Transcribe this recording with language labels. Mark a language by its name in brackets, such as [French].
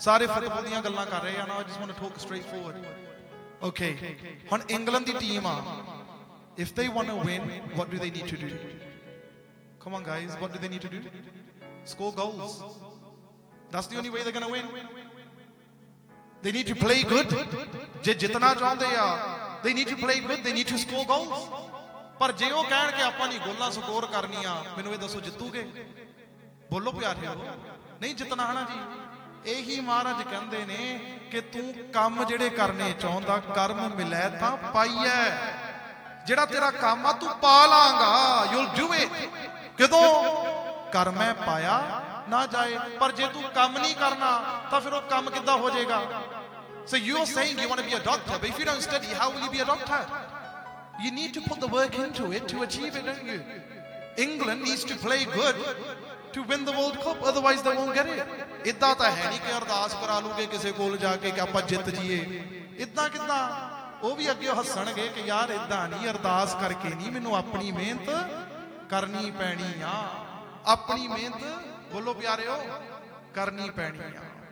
[Punjabi] ਸਾਰੇ ਫੁੱਟਬਾਲ ਦੀਆਂ ਗੱਲਾਂ ਕਰ ਰਹੇ ਆ ਨਾ, ਜਿਸ ਨੂੰ ਠੋਕ [English] Straightforward. [Punjabi] ਓਕੇ ਹੁਣ ਇੰਗਲੈਂਡ ਦੀ ਟੀਮ ਆ, [English] If they want to win what do they need to do? Come on guys, what do they need to do? Score goals, that's the only way they going to win. They need to play good, [Punjabi] ਜੇ ਜਿੱਤਣਾ ਚਾਹੁੰਦੇ ਆ [English] they need to play good, they need to score goals. [Punjabi] ਪਰ ਜੇ ਉਹ ਕਹਿਣ ਕਿ ਆਪਾਂ ਨਹੀਂ ਗੋਲਾਂ ਸਕੋਰ ਕਰਨੀਆਂ, ਮੈਨੂੰ ਇਹ ਦੱਸੋ ਜਿੱਤੂਗੇ? ਬੋਲੋ ਪਿਆਰਿਓ, ਨਹੀਂ ਜਿੱਤਣਾ ਹੈ ਨਾ ਜੀ। ਇਹੀ ਮਹਾਰਾਜ ਕਹਿੰਦੇ ਨੇ ਕਿ ਤੂੰ ਕੰਮ ਜਿਹੜੇ ਕਰਨੇ ਚਾਹੁੰਦਾ, ਕਰਮ ਮਿਲੇ ਤਾਂ ਪਾਈਐ, ਜਿਹੜਾ ਤੇਰਾ ਕੰਮ ਆ ਤੂੰ ਪਾ ਲਾਂਗਾ। [English] you'll do it, [Punjabi] ਕਦੋਂ? ਕਰਮੈ ਪਾਇਆ ਨਾ ਜਾਏ। ਪਰ ਜੇ ਤੂੰ ਕੰਮ ਨਹੀਂ ਕਰਨਾ ਤਾਂ ਫਿਰ ਉਹ ਕੰਮ ਕਿੱਦਾਂ ਹੋ ਜਾਏਗਾ? [English] So you are saying you want to be a doctor, but if you don't study, how will you be a doctor? You need to put the work into it to achieve it, don't you? England needs to play good to win the World Cup, otherwise they won't get it. [Punjabi] ਇੱਦਾਂ ਤਾਂ ਹੈ ਨਹੀਂ ਕਿ ਅਰਦਾਸ ਕਰਾ ਲੂਗੇ ਕਿਸੇ ਕੋਲ ਜਾ ਕੇ ਕਿ ਆਪਾਂ ਜਿੱਤ ਜੀਏ। ਇੱਦਾਂ ਕਿੱਦਾਂ ਉਹ ਵੀ ਅੱਗੇ ਹੱਸਣਗੇ ਕਿ ਯਾਰ ਇੱਦਾਂ ਨਹੀਂ, ਅਰਦਾਸ ਕਰਕੇ ਨਹੀਂ, ਮੈਨੂੰ ਆਪਣੀ ਮਿਹਨਤ ਕਰਨੀ ਪੈਣੀ ਆ, ਆਪਣੀ ਮਿਹਨਤ ਬੋਲੋ ਪਿਆਰਿਓ ਕਰਨੀ ਪੈਣੀ ਆ।